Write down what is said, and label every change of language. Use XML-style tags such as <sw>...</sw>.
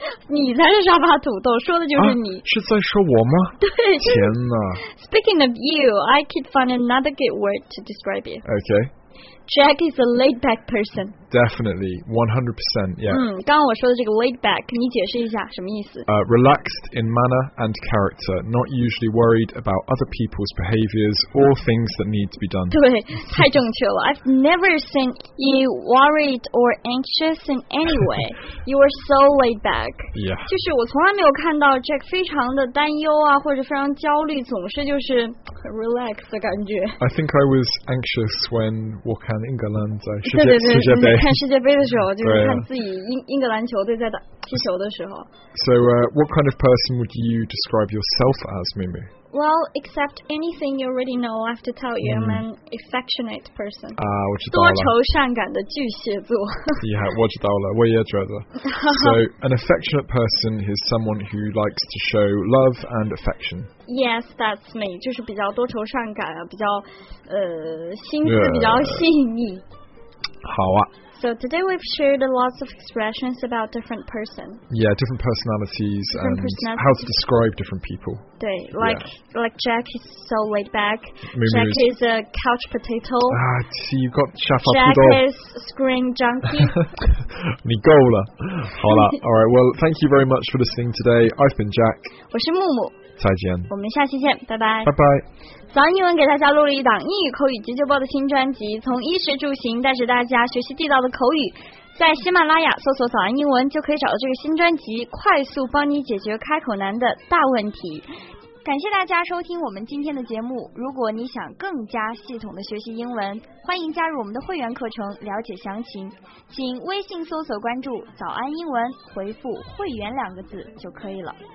<zh>你才是沙发土豆，说的就是你。啊、是在说我吗？对。天哪。</zh> <en>Speaking of you, I could find another good word to describe you. Okay. Jack is a laid-back person. Definitely, 100%, yeah.</en> <zh>刚刚我说的这个 laid-back, 你解释一下什么意思、</zh> <en>Relaxed in manner and character, not usually worried about other people's behaviors or things that need to be done.</en> <zh>对，太正确了。</zh> <en>I've never seen you worried or anxious in any way. You are so laid-back. Yeah.</en> <zh>就是我从来没有看到 Jack 非常的担忧啊，或者非常焦虑，总是就是 relax 的感觉。</zh> <en>I think I was anxious when walking.</en> <zh>看英格兰在世界杯，对对对，看世界杯的时候，就是看自己英格兰球队在打踢球的时候。</zh> <en>So, what kind of person would you describe yourself as, Mimi? Well, except anything you already know, I have to tell you, I'm an affectionate person.</en> <zh>啊，我知道了。多愁善感的巨蟹座。 Yeah, 我知道了，我也觉得。</zh> <en>So, an affectionate person is someone who likes to show love and affection. Yes, that's me.</en> <zh>就是比较多愁善感啊，比较心思比较细腻。好啊。</zh> <en>So today we've shared lots of expressions about different person. Yeah, different personalities and how to describe different people.</en> <zh>对</zh> <en>like Jack is so laid back. Jack is a couch potato. Ah, see, you got Shafa. Jack is screen junkie.</en> <zh>你够了，好了 ，</zh> <en>All right. Well, thank you very much for listening today. I've been Jack.</en> <zh>我是木木。再见，我们下期见，拜拜，拜拜。早安英文给大家录了一档英语口语急救包的新专辑，从衣食住行带着大家学习地道的口语，在喜马拉雅搜索早安英文就可以找到这个新专辑，快速帮你解决开口难的大问题。感谢大家收听我们今天的节目，如果你想更加系统的学习英文，欢迎加入我们的会员课程，了解详情请微信搜索关注早安英文，回复会员两个字就可以了。</zh>